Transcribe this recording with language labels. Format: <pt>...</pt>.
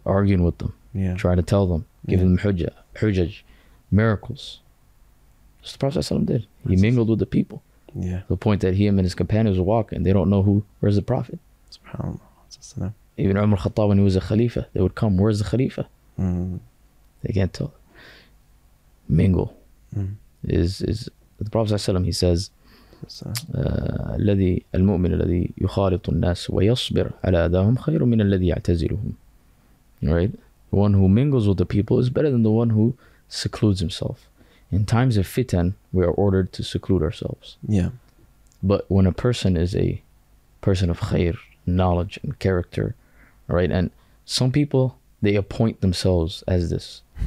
<en>Arguing with them, trying to tell them, giving them hujjah, miracles. That's the Prophet ﷺ did. He mingled with the people. Yeah. To the point that him and his companions were walking, they don't know where's the Prophet. SubhanAllah. Even Umar Khattab, when he was a Khalifa, they would come, where's the Khalifa? They can't tell. Mingle. Is the Prophet ﷺ, he says,</en> <ar>الذي المؤمن الذي يخالط الناس ويصبر على أذاهم خير من الذي يعتزلهم.</ar> <en>Right? The one who mingles with the people is better than the one who secludes himself. In times of fitan, we are ordered to seclude ourselves. Yeah. But when a person is a person of khair, knowledge and character, right? And some people, they appoint themselves as this.</en>